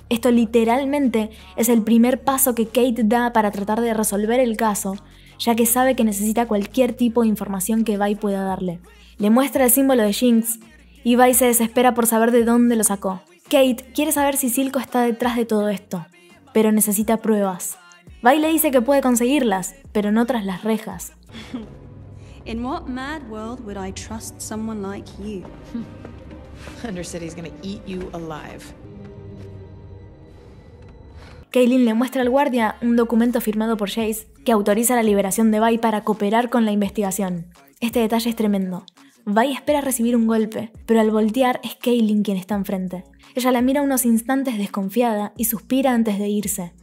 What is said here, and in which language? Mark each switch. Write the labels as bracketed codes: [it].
[es] Esto literalmente es el primer paso que Kate da para tratar de resolver el caso, ya que sabe que necesita cualquier tipo de información que Vi pueda darle. Le muestra el símbolo de Jinx y Vi se desespera por saber de dónde lo sacó. Kate quiere saber si Silco está detrás de todo esto, pero necesita pruebas. Vi le dice que puede conseguirlas, pero no tras las rejas. [en] In what mad world would I trust someone like you? Undercity's gonna eat you alive. [es] Caitlyn le muestra al guardia un documento firmado por Jace que autoriza la liberación de Vi para cooperar con la investigación. Este detalle es tremendo. Vi espera recibir un golpe, pero al voltear es Caitlyn quien está enfrente. Ella la mira unos instantes desconfiada y suspira antes de irse.